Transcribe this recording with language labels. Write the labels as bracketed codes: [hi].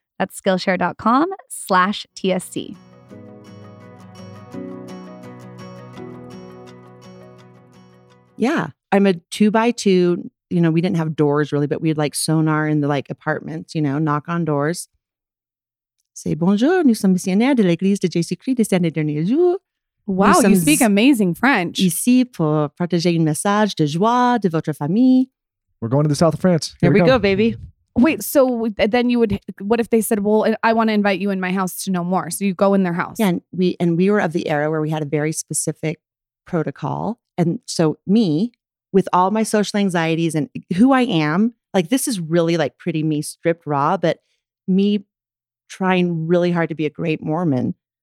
[en] That's Skillshare.com/TSC. Yeah, I'm a 2x2, you know, we didn't have doors really, but we'd like sonar in the like apartments, you know, knock on doors. [fr] Say bonjour, nous sommes missionnaires de l'église de Jésus-Christ de Saint-Denis-Jour. [en] Wow, you speak amazing French. [fr] Ici pour partager un message de joie de votre famille. [en] We're going to the south of France. Here we go, baby. Wait, so then you would, what if they said, well, I want to invite you in my house to know more. So you go in their house. Yeah, and we were of the era where we had a very specific protocol. And so me, with all my social anxieties and who I am, like this is really like pretty me stripped raw, but me trying really hard to be a great Mormon.